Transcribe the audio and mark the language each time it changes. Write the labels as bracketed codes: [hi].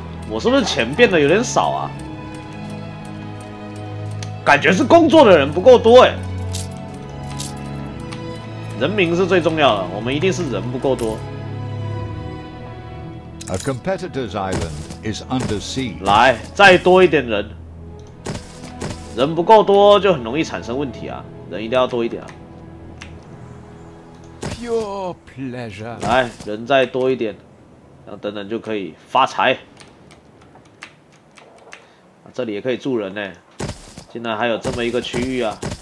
[zh] 我是不是钱变得有点少啊？感觉是工作的人不够多哎。人民是最重要的，我们一定是人不够多。 [en] A competitor's island is under siege. [zh] 来，再多一点人。人不够多就很容易产生问题啊，人一定要多一点啊。 [en] Pure pleasure. [zh] 来，人再多一点，然后等等就可以发财。啊，这里也可以住人呢，竟然还有这么一个区域啊！